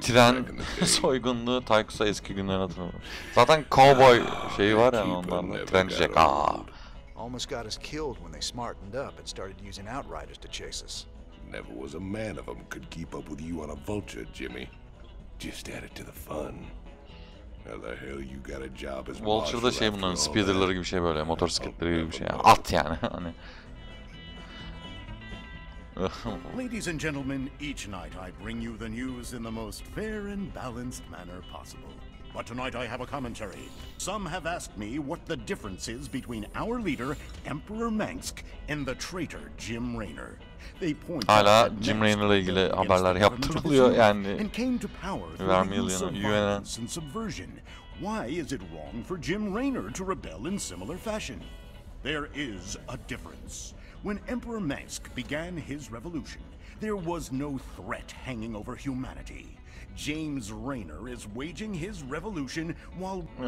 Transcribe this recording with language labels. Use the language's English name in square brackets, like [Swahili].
[Turkish] Tren soygunluğu Tykus'a eski günlerine hatırlamıyorum. Zaten cowboy şeyi var ya ondan tren diyecek. [English] Almost got us killed when they smartened up and started using outriders to chase us. Never was a man of them could keep up with you on a vulture, Jimmy. Just add it to the fun. How the hell you got a job as [Turkish] Vulture'da şey bunların speederları gibi şey böyle, motosikletleri gibi bir şey. Yani. At yani hani. [English] Ladies and gentlemen, each night I bring you the news in the most fair and balanced manner possible. But tonight I have a commentary. Some have asked me what the difference is between our leader, Emperor Mengsk, and the traitor, Jim Raynor. They point [Turkish] hala Jim Raynor'la ilgili haberler yaptırılıyor yani. [English] And came to power and subversion. Why is it wrong for Jim Raynor to rebel in similar fashion? There is a difference. When Emperor Mengsk began his revolution, there was no threat hanging over humanity. James Raynor is waging his revolution while